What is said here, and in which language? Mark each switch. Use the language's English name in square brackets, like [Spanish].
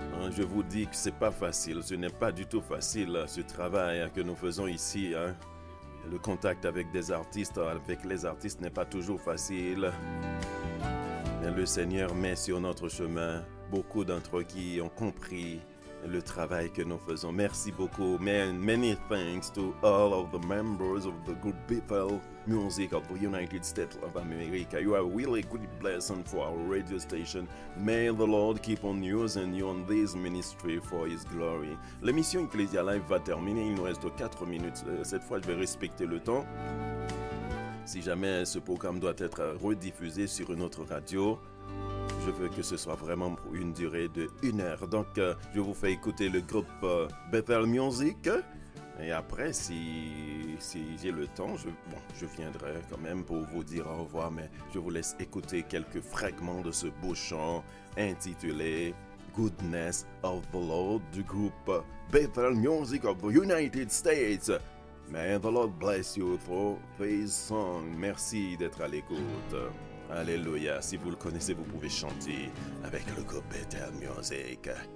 [French] Je vous dis que ce n'est pas facile, ce n'est pas du tout facile ce travail que nous faisons ici. Le contact avec des artistes, avec les artistes, n'est pas toujours facile. Mais le Seigneur met sur notre chemin beaucoup d'entre eux qui ont compris le travail que nous faisons. Merci beaucoup. [English] Many thanks to all of the members of the group Bethel Music of the United States of America. You are really good blessing for our radio station. May the Lord keep on using you on this ministry for His glory. [French] L'émission Ecclesia Live va terminer. Il nous reste 4 minutes. Cette fois, je vais respecter le temps. Si jamais ce programme doit être rediffusé sur une autre radio, je veux que ce soit vraiment pour une durée de 1 heure. Donc, je vous fais écouter le groupe Bethel Music. Et après, si j'ai le temps, je viendrai quand même pour vous dire au revoir. Mais je vous laisse écouter quelques fragments de ce beau chant intitulé Goodness of the Lord du groupe Bethel Music of the United States. [English] May the Lord bless you for this song. [French] Merci d'être à l'écoute. Alléluia, si vous le connaissez, vous pouvez chanter avec le groupe Bethel Music.